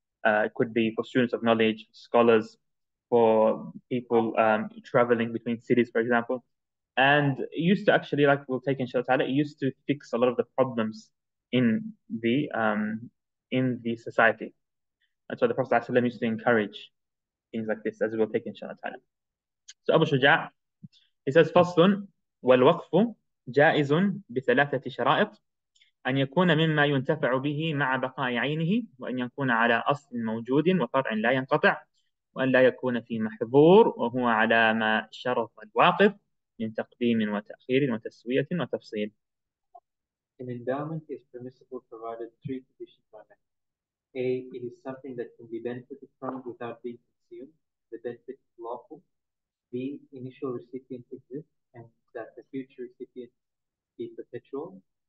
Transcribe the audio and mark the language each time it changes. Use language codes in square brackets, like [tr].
[en] It could be for students of knowledge, scholars, for people traveling between cities, for example. And it used to actually, like we'll take inshallah ta'ala, it used to fix a lot of the problems in the society. And so the Prophet ﷺ used to encourage things like this, as we'll take inshallah ta'ala. So Abu Shuja, he says, [ar] فَصْلٌ وَالْوَقْفُ جَائِزٌ بِثَلَاثَةِ شَرَائِطٍ أَنْ يَكُونَ مِمَّا يُنْتَفَعُ بِهِ مَعَ بَقَاءِ عَيْنِهِ وَأَنْ يَكُونَ عَلَى أَصْلٍ مَوْجُودٍ وَفَرْعٍ لَا يَنْقَطِعُ وَأَنْ لَا يَكُونَ فِي مَحْظُورٍ وَهُوَ عَلَى مَا شَرَطَ الْوَاقِفُ من تقديم وتأخير وتسوية وتفصيل. [en] An endowment is permissible provided three conditions are met. A, it is something that can be benefited from without being consumed. The benefit is lawful. B, initial recipient exists and that the future recipient be perpetual.